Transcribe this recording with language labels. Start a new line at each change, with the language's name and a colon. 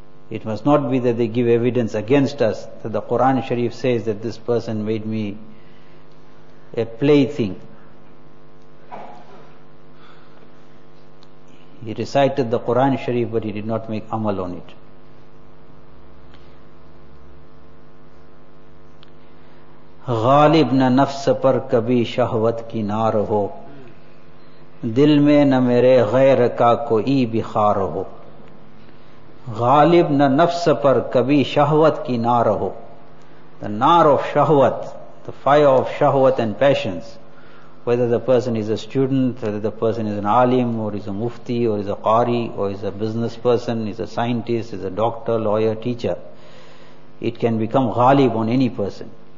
English: It must not be that they give evidence against us, that the Quran Sharif says that this person made me a plaything. He recited the Quran Sharif, but he did not make amal on it.
Urdu: غالب نہ نفس پر کبھی شہوت کی نار ہو دل میں نہ میرے غیر کا کوئی بخار ہو. غالب نہ نفس پر کبھی شہوت کی نار ہو.
English: The nar of shahwat, the fire of shahwat and passions, whether the person is a student, whether the person is an alim or is a mufti or is a qari or is a business person, is a scientist, is a doctor, lawyer, teacher, it can become ghalib on any person.